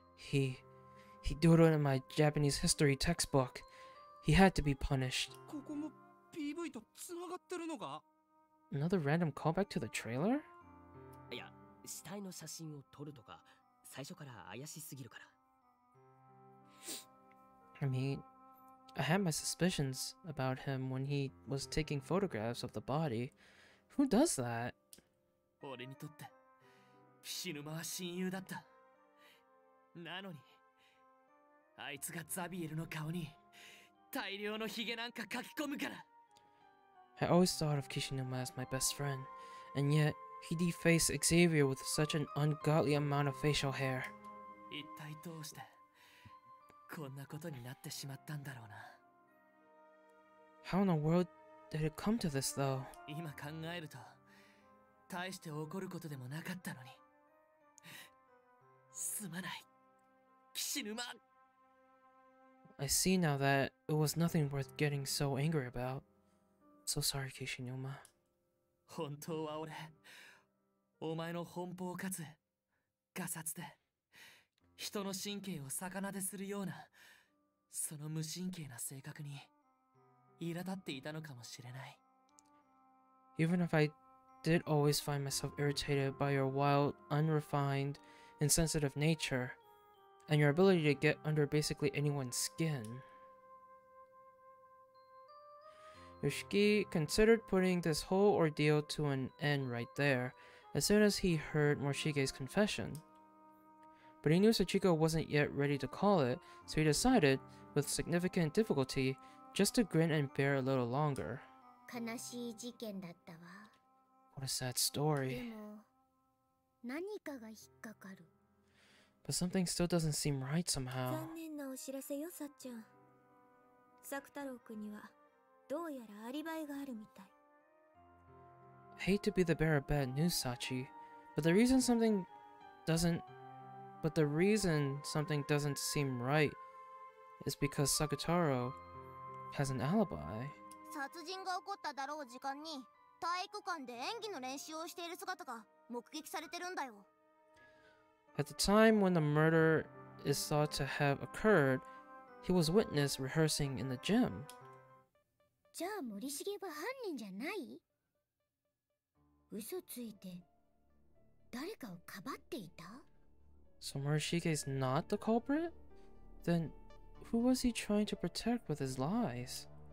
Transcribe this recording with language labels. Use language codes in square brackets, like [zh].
[en] He doodled in my Japanese history textbook. He had to be punished. [ja] ここも PV とつながってるのか? [en] Another random callback to the trailer? [ja] いや、死体の写真を撮るとか、最初から怪しすぎるから。 [en] I mean, I had my suspicions about him when he was taking photographs of the body. Who does that? [ja] 俺にとって、騎士沼は親友だった。なのに、あいつがザビエルの顔に大量のヒゲなんか書き込むから。 [en] I always thought of Kishinuma as my best friend, and yet he defaced Xavier with such an ungodly amount of facial hair. [ja] 一体どうしてこんなことになってしまったんだろうな。 [en] How in the world did it come to this, though? [ja] 今考えると、大して怒ることでもなかったのに。すまない。 [en] I see now that it was nothing worth getting so angry about. So sorry, Kishinuma. [ja] 本当は俺、お前の奔放かつガサツで人の神経を逆なでするようなその無神経な性格に苛立っていたのかもしれない。 [en] Even if I did always find myself irritated by your wild, unrefined, insensitive nature,And your ability to get under basically anyone's skin. Yoshiki considered putting this whole ordeal to an end right there, as soon as he heard Morishige's confession. But he knew Sachiko wasn't yet ready to call it, so he decided, with significant difficulty, just to grin and bear a little longer. [ja] 悲しい事件だったわ。 [en] What a sad story. [ja] でも、何かが引っかかる。 [en] But something still doesn't seem right somehow. [ja] 残念なお知らせよ、さっちゃん。作太郎君には、どうやらアリバイがあるみたい。 [en] I hate to be the bearer of bad news, Sachi, but the reason something doesn't seem right is because Sakutaro has an alibi. [ja] 殺人が起こっただろう時間に、体育館で演技の練習をしている姿が目撃されてるんだよ。 [en] At the time when the murder is thought to have occurred, he was witnessed rehearsing in the gym. [ja] じゃあ森重は犯人じゃない?嘘ついて誰かをかばっていた? [en] So Morishige is not the culprit? Then who was he trying to protect with his lies?